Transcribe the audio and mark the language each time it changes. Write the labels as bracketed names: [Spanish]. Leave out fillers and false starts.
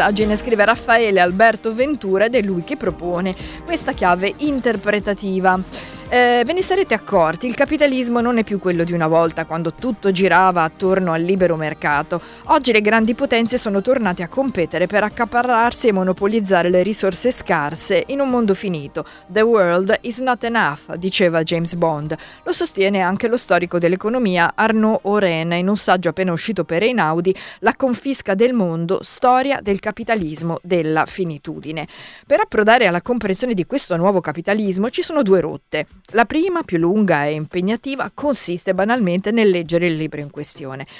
[Italian] Oggi ne scrive Raffaele Alberto Ventura ed è lui che propone questa chiave interpretativa. Ve ne sarete accorti, il capitalismo non è più quello di una volta, quando tutto girava attorno al libero mercato. Oggi le grandi potenze sono tornate a competere per accaparrarsi e monopolizzare le risorse scarse in un mondo finito. [English] The world is not enough, [Italian] diceva [English] James Bond. [Italian] Lo sostiene anche lo storico dell'economia Arnaud Auren in un saggio appena uscito per Einaudi, La confisca del mondo, storia del capitalismo della finitudine. Per approdare alla comprensione di questo nuovo capitalismo ci sono due rotte. La prima, più lunga e impegnativa, consiste banalmente nel leggere il libro in questione.